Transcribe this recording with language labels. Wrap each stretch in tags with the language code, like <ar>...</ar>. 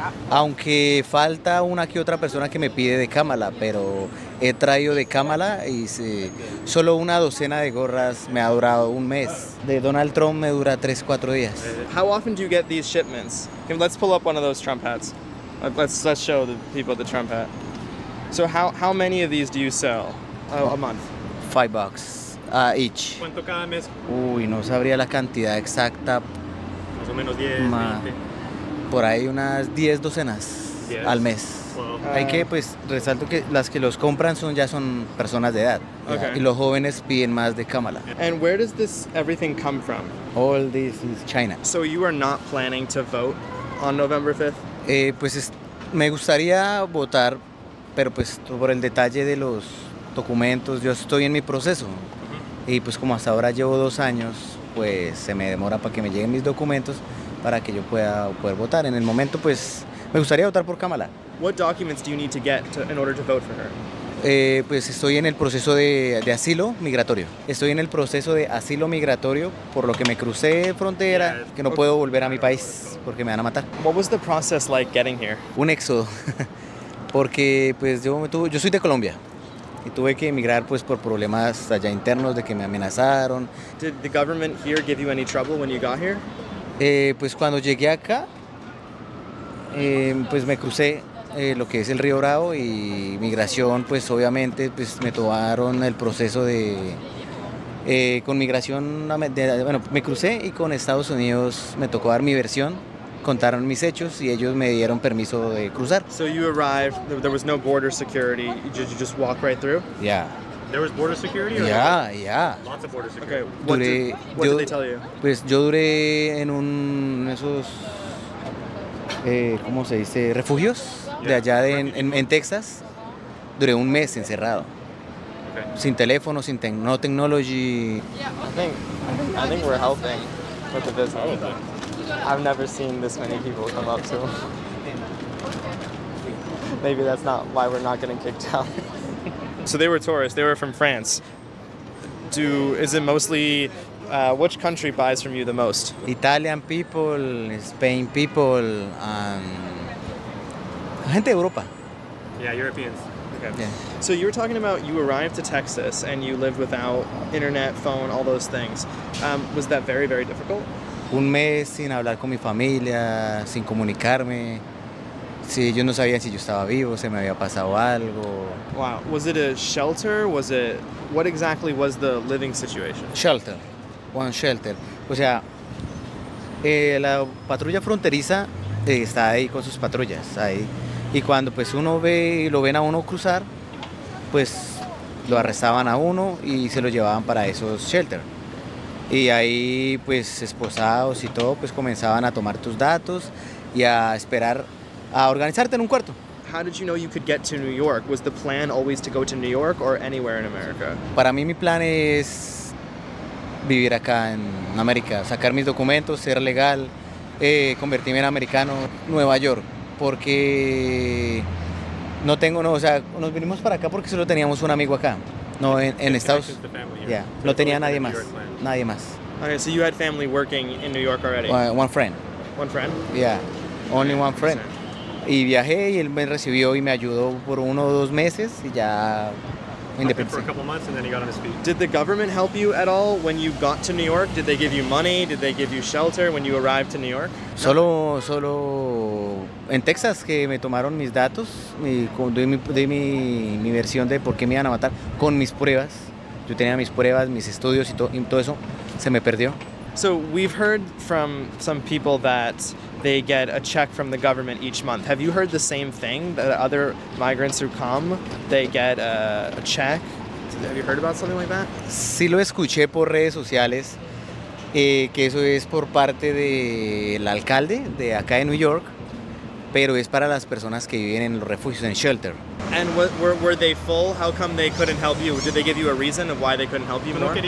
<es>Aunque falta una que otra persona que me pide de Kamala, pero he traído de Kamala y sí, solo una docena de gorras me ha durado un mes. De Donald Trump me dura 3-4 días.</es> <en>How often do you get these shipments? Let's pull up one of those Trump hats. Let's show the people the Trump hat. So how many of these do you sell a month? $5 each.</en> <es>¿Cuánto cada mes? Uy, no sabría la cantidad exacta. Más o menos 10, 20. Por ahí unas 10 docenas al mes.</es> <en>Wow.</en> <es>Hay que pues resalto que las que los compran son personas de edad.</es> <en>Okay.</en> <es>Y los jóvenes piden más de Kamala.</es> <en>And where does this everything come from? All this is China. So you are not planning to vote on November 5th?</en> <es>Me gustaría votar, pero pues por el detalle de los documentos, yo estoy en mi proceso. Y pues como hasta ahora llevo 2 años, pues se me demora para que me lleguen mis documentos para que yo pueda poder votar. En el momento pues me gustaría votar por Kamala.</es> <en>What documents do you need to get in order to vote for her?</en> <es>Pues estoy en el proceso de asilo migratorio. Estoy en el proceso de asilo migratorio por lo que me crucé frontera, que no puedo volver a mi país porque me van a matar.</es> <en>What was the process like getting here?</en> <es>Un éxodo. Porque pues yo soy de Colombia. y tuve que emigrar pues por problemas allá internos de que me amenazaron.</es> <en>Did the government here give you any trouble when you got here?</en> <es>Pues cuando llegué acá, pues me crucé lo que es el Río Bravo y migración, pues obviamente pues me tomaron el proceso de con migración, bueno, me crucé y con Estados Unidos me tocó dar mi versión, contaron mis hechos y ellos me dieron permiso de cruzar.</es> <en>So you arrived, there was no border security, you just walk right through? Yeah. There was border security? Or yeah, no? Yeah. Lots of border security. Okay, what did they tell you?</en> <es>Pues yo duré en un esos, ¿cómo se dice? Refugios, yeah, de allá de, en Texas, duré un mes encerrado. Okay. Sin teléfono, sin</es> <en>no technology. I think we're helping with the business. I've never seen this many people come up to. Maybe that's not why we're not getting kicked out. So they were tourists. They were from France. Which country buys from you the most? Italian people, Spain people,</en> <es>gente de Europa.</es> <en>Yeah, Europeans. Okay. Yeah. So you were talking about you arrived to Texas and you lived without internet, phone, all those things. Was that very, very difficult?</en> <es>Un mes sin hablar con mi familia, sin comunicarme. Sí, yo no sabía si yo estaba vivo, se me había pasado algo.</es> <en>Wow. Was it a shelter? What exactly was the living situation? Shelter. One shelter.</en> <es>O sea, la patrulla fronteriza está ahí con sus patrullas, ahí. Y cuando pues uno ve y lo ven a uno cruzar, pues lo arrestaban a uno y se lo llevaban para esos shelters. Y ahí pues esposados y todo, pues comenzaban a tomar tus datos y a esperar a organizarte en un cuarto.</es> <en>How did you know you could get to New York? Was the plan always to go to New York or anywhere in America?</en> <es>Para mí mi plan es vivir acá en América, sacar mis documentos, ser legal, convertirme en americano, Nueva York. Porque nos vinimos para acá porque solo teníamos un amigo acá. No, en Estados Unidos. Yeah. No tenía nadie más. Nadie más.</es> <en>Okay, so you had family working in New York already? One friend. One friend? Yeah. Only one friend.</en> <es>Y viajé y él me recibió y me ayudó por uno o dos meses y ya independiente.</es> <en>Okay, for a couple months and then he got on his feet. Did the government help you at all when you got to New York? Did they give you money? Did they give you shelter when you arrived to New York?</en> <es>Solo en Texas que me tomaron mis datos y di mi versión de por qué me iban a matar con mis pruebas. Yo tenía mis pruebas, mis estudios y todo eso se me perdió.</es> <en>So we've heard from some people that they get a check from the government each month. Have you heard the same thing, that other migrants who come, they get a check? Have you heard about something like that?</en> <es>Sí lo escuché por redes sociales, que eso es por parte del alcalde de acá de New York, pero es para las personas que viven en los refugios, en shelter.</es> <en>And were they full? How come they couldn't help you? Did they give you a reason of why they couldn't help you more?</en>